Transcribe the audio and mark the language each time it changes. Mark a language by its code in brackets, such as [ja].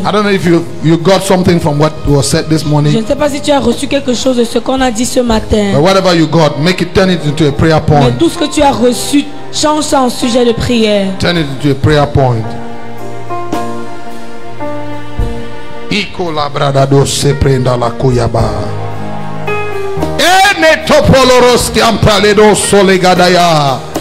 [en] I don't know if you got something from what was said this morning. [fr] Je ne sais pas si tu as reçu quelque chose de ce qu'on a dit ce matin. [en] But whatever you got, make it turn it into a prayer point. [fr] Mais tout ce que tu as reçu, change ça en sujet de prière. [en] Turn it into a prayer point. E ne topolo rosti ampale do sole gadaya.